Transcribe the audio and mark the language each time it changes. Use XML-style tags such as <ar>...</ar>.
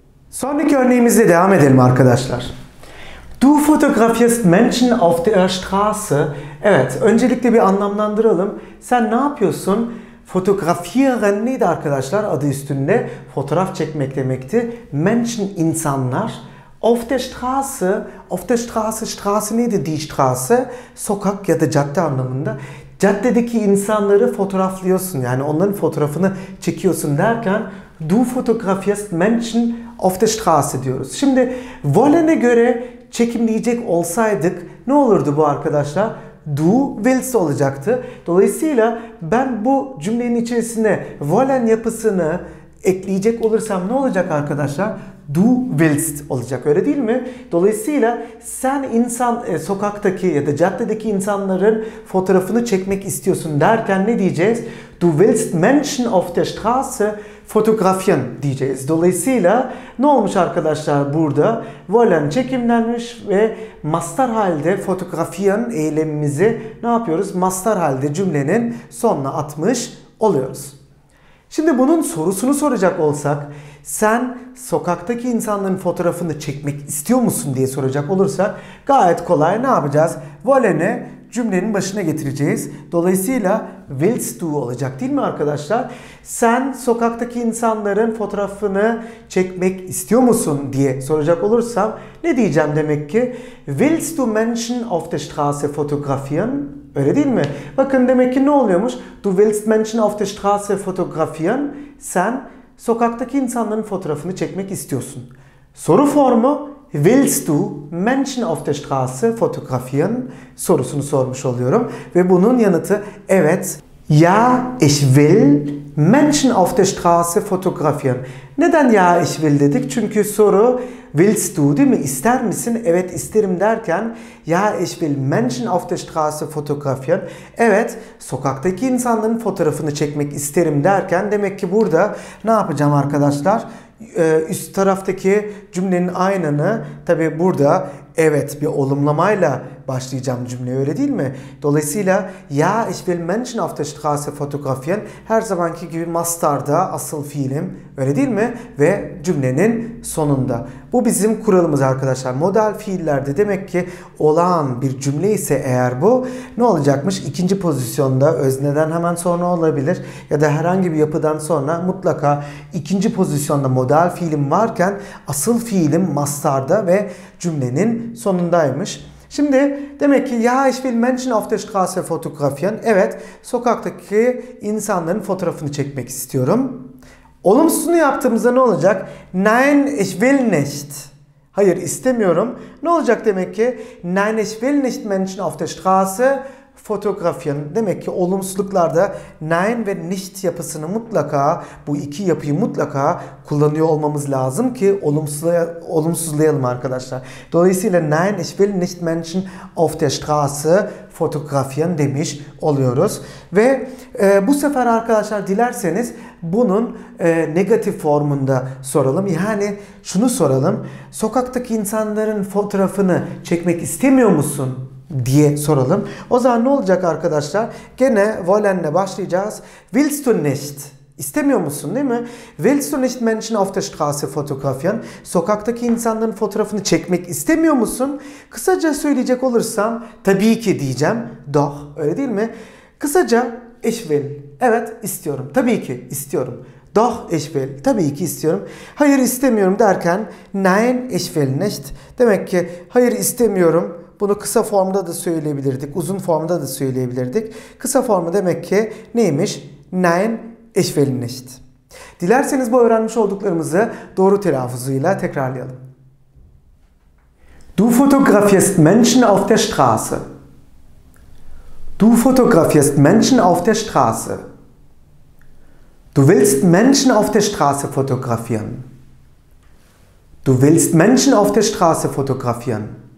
<tr>Sonraki örneğimizle devam edelim arkadaşlar.</tr> <de>Du fotografierst Menschen auf der Straße.</de> <tr>Evet, öncelikle bir anlamlandıralım. Sen ne yapıyorsun? Fotografieren neydi arkadaşlar? Adı üstünde fotoğraf çekmek demekti. Menschen, insanlar.</tr> <de>Auf der Straße, auf der Straße, Straße</de> <tr>neydi?</tr> <de>Die Straße,</de> <tr>sokak ya da cadde anlamında. Caddedeki insanları fotoğraflıyorsun. Yani onların fotoğrafını çekiyorsun derken</tr> <de>du fotografierst Menschen auf der Straße</de> <tr>diyoruz. Şimdi wollen'e göre çekimleyecek olsaydık ne olurdu bu arkadaşlar?</tr> <de>Du willst</de> <tr>olacaktı. Dolayısıyla ben bu cümlenin içerisine wollen yapısını ekleyecek olursam ne olacak arkadaşlar?</tr> <de>Du willst</de> <tr>olacak, öyle değil mi? Dolayısıyla sen insan sokaktaki ya da caddedeki insanların fotoğrafını çekmek istiyorsun derken ne diyeceğiz?</tr> <de>Du willst Menschen auf der Straße fotografieren</de> <tr>diyeceğiz. Dolayısıyla ne olmuş arkadaşlar burada? Wollen çekimlenmiş ve mastar halde fotografieren eylemimizi ne yapıyoruz? Mastar halde cümlenin sonuna atmış oluyoruz. Şimdi bunun sorusunu soracak olsak, sen sokaktaki insanların fotoğrafını çekmek istiyor musun diye soracak olursak gayet kolay, ne yapacağız? Wollen'i cümlenin başına getireceğiz. Dolayısıyla</tr> <de>willst du</de> <tr>olacak, değil mi arkadaşlar? Sen sokaktaki insanların fotoğrafını çekmek istiyor musun diye soracak olursam ne diyeceğim demek ki?</tr> <de>Willst du Menschen auf der Straße fotografieren?</de> <tr>Öyle değil mi? Bakın demek ki ne oluyormuş?</tr> <de>Du willst Menschen auf der Straße fotografieren?</de> <tr>Sen sokaktaki insanların fotoğrafını çekmek istiyorsun. Soru formu</tr> <de>willst du Menschen auf der Straße fotografieren</de> <tr>sorusunu sormuş oluyorum ve bunun yanıtı evet.</tr> <de>Ja, ich will Menschen auf der Straße fotografieren.</de> <tr>Neden</tr> <de>ja, ich will</de> <tr>dedik? Çünkü soru</tr> <de>willst du,</de> <tr>değil mi? İster misin? Evet, isterim derken</tr> <de>ja, ich will Menschen auf der Straße fotografieren.</de> <tr>Evet, sokaktaki insanların fotoğrafını çekmek isterim derken demek ki burada ne yapacağım arkadaşlar? Üst taraftaki cümlenin aynını tabi burada evet bir olumlamayla başlayacağım cümleye, öyle değil mi? Dolayısıyla</tr> <de>ja, ich will Menschen auf der Straße fotografieren</de> <tr>her zamanki gibi mastarda asıl fiilim, öyle değil mi? Ve cümlenin sonunda. Bu bizim kuralımız arkadaşlar. Modal fiillerde demek ki olağan bir cümle ise eğer bu ne olacakmış? İkinci pozisyonda özneden hemen sonra olabilir ya da herhangi bir yapıdan sonra mutlaka ikinci pozisyonda modal fiilim varken asıl fiilim mastarda ve cümlenin sonundaymış. Şimdi demek ki</tr> <de>ja, ich will Menschen auf der Straße fotografieren.</de> <tr>Evet, sokaktaki insanların fotoğrafını çekmek istiyorum. Olumsuzunu yaptığımızda ne olacak?</tr> <de>Nein, ich will nicht.</de> <tr>Hayır, istemiyorum. Ne olacak demek ki?</tr> <de>Nein, ich will nicht Menschen auf der Straße</de> <tr>fotoğrafın. Demek ki olumsuzluklarda nein ve nicht yapısını mutlaka, bu iki yapıyı mutlaka kullanıyor olmamız lazım ki olumsuzlayalım arkadaşlar. Dolayısıyla</tr> <de>nein, ich will nicht Menschen auf der Straße</de> <tr>fotoğrafın demiş oluyoruz. Ve bu sefer arkadaşlar dilerseniz bunun negatif formunda soralım. Yani şunu soralım. Sokaktaki insanların fotoğrafını çekmek istemiyor musun diye soralım. O zaman ne olacak arkadaşlar? Gene wollen'le başlayacağız.</tr> <de>Willst du nicht?</de> <tr>İstemiyor musun, değil mi?</tr> <de>Willst du nicht Menschen auf der Straße fotografieren?</de> <tr>Sokaktaki insanların fotoğrafını çekmek istemiyor musun? Kısaca söyleyecek olursam tabii ki diyeceğim. Doch, öyle değil mi? Kısaca</tr> <de>ich will.</de> <tr>Evet, istiyorum. Tabii ki istiyorum.</tr> <de>Doch, ich will.</de> <tr>Tabii ki istiyorum. Hayır, istemiyorum derken</tr> <de>nein, ich will nicht.</de> <tr>Demek ki hayır, istemiyorum. Bunu kısa formda da söyleyebilirdik, uzun formda da söyleyebilirdik. Kısa formu demek ki neymiş?</tr> <de>Nein, ich will nicht.</de> <tr>Dilerseniz bu öğrenmiş olduklarımızı doğru telaffuzuyla tekrarlayalım.</tr> <de>Du fotografierst Menschen auf der Straße. Du fotografierst Menschen auf der Straße. Du willst Menschen auf der Straße fotografieren. Du willst Menschen auf der Straße fotografieren.</de>